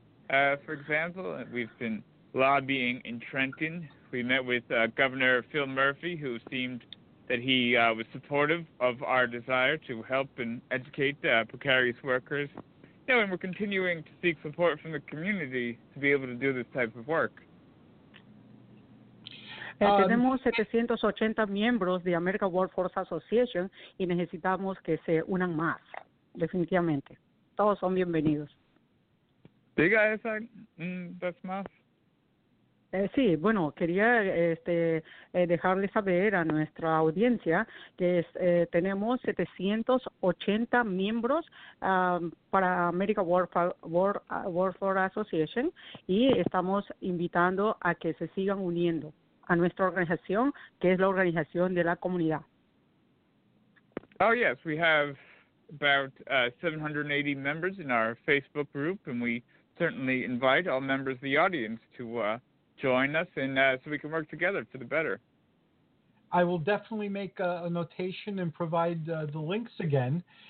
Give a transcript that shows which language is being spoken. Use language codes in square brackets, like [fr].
[en] For example, we've been lobbying in Trenton. We met with Governor Phil Murphy, who seemed that he was supportive of our desire to help and educate precarious workers. Yeah, and we're continuing to seek support from the community to be able to do this type of work. [es] Tenemos 780 miembros de America Workforce Association y necesitamos que se unan más, definitivamente. Todos son bienvenidos. Diga esa, ¿das más? Sí, bueno, quería dejarles saber a nuestra audiencia que tenemos 780 miembros para America Workforce Association y estamos invitando a que se sigan uniendo a nuestra organización, que es la organización de la comunidad. [en] Oh, yes, we have about 780 members in our Facebook group, and we certainly invite all members of the audience to join us and so we can work together for the better. I will definitely make a notation and provide the links again.